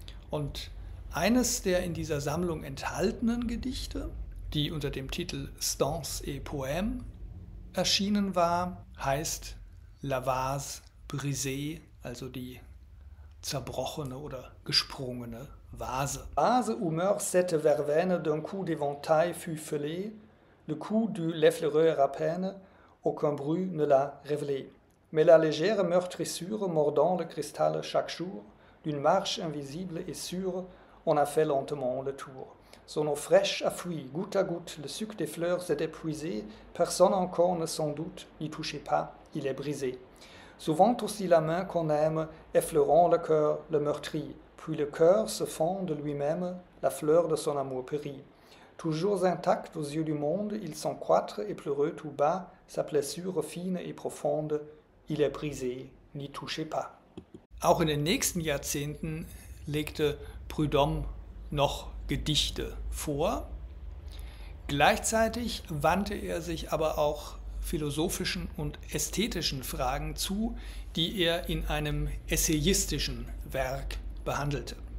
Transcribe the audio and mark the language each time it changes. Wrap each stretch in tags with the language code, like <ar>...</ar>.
<de>Und eines der in dieser Sammlung enthaltenen Gedichte, die unter dem Titel Stances et Poèmes erschienen war, heißt La Vase Brisée, also die zerbrochene oder gesprungene Vase.</de> <fr>Vase où meurt cette verveine d'un coup d'éventail fut fêlé. Le coup du Leffleureur à peine, aucun bruit ne l'a révélé. Mais la légère meurtrissure, mordant le cristal chaque jour, d'une marche invisible et sûre, on a fait lentement le tour. Son eau fraîche a fui, goutte à goutte, le suc des fleurs s'est épuisé, personne encore ne s'en doute, n'y touchez pas, il est brisé. Souvent aussi la main qu'on aime, effleurant le cœur, le meurtrit, puis le cœur se fend de lui-même, la fleur de son amour périt. Toujours intact aux yeux du monde, il s'encroître et pleureux tout bas, sa blessure fine et profonde, il est brisé, n'y touchez pas.</fr> <de>Auch in den nächsten Jahrzehnten legte Prudhomme noch Gedichte vor. Gleichzeitig wandte er sich aber auch philosophischen und ästhetischen Fragen zu, die er in einem essayistischen Werk behandelte.</de>